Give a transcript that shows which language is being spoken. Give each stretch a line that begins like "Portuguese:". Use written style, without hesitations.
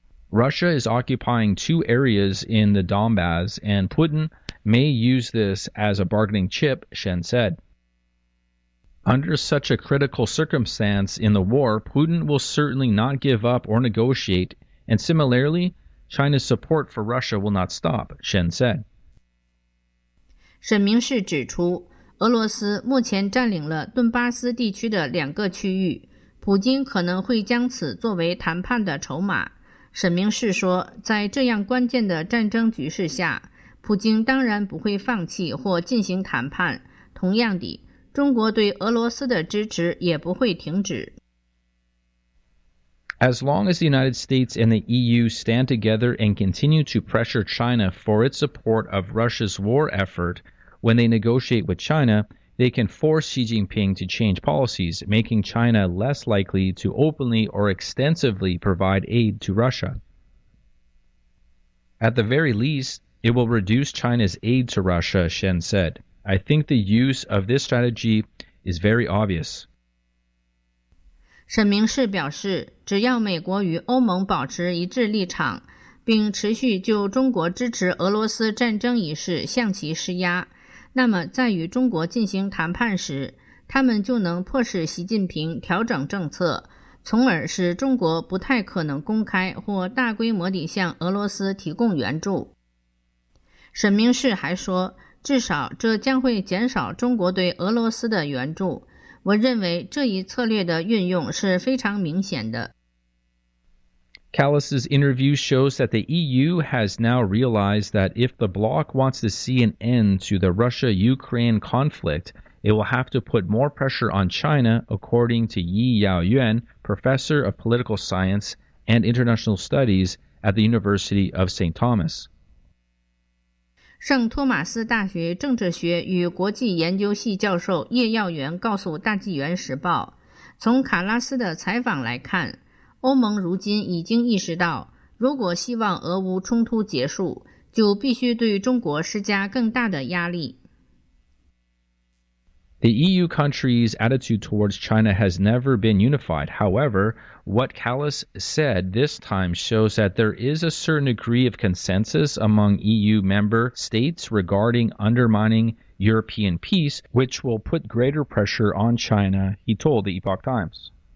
English: Russia is occupying two areas in the Donbass, and Putin may use this as a bargaining chip, Shen said. Under such a critical circumstance in the war, Putin will certainly not give up or negotiate, and similarly, China's support for Russia will not stop, Shen said.
Chinese: 沈明士指出，俄罗斯目前占领了顿巴斯地区的两个区域，普京可能会将此作为谈判的筹码。沈明士说，在这样关键的战争局势下，普京当然不会放弃或进行谈判。同样的，中国对俄罗斯的支持也不会停止。
English: As long as the United States and the EU stand together and continue to pressure China for its support of Russia's war effort, when they negotiate with China, they can force Xi Jinping to change policies, making China less likely to openly or extensively provide aid to Russia. At the very least, it will reduce China's aid to Russia, Shen said. I think the use of this strategy is very obvious.
Chinese: 沈明士表示，只要美国与欧盟保持一致立场，并持续就中国支持俄罗斯战争一事向其施压，那么在与中国进行谈判时，他们就能迫使习近平调整政策，从而使中国不太可能公开或大规模地向俄罗斯提供援助。沈明士还说，至少这将会减少中国对俄罗斯的援助。我认为这一策略的运用是非常明显的。
English: Callis's interview shows that the EU has now realized that if the bloc wants to see an end to the Russia-Ukraine conflict, it will have to put more pressure on China, according to Yi Yaoyuan, professor of political science and international studies at the University of St. Thomas.
Chinese: 圣托马斯大学政治学与国际研究系教授叶耀元告诉《大纪元时报》，从卡拉斯的采访来看，欧盟如今已经意识到，如果希望俄乌冲突结束，就必须对中国施加更大的压力。
English: The EU countries' attitude towards China has never been unified. However, what Callis said this time shows that there is a certain degree of consensus among EU member states regarding undermining European peace, which will put greater pressure on China, he told the Epoch Times.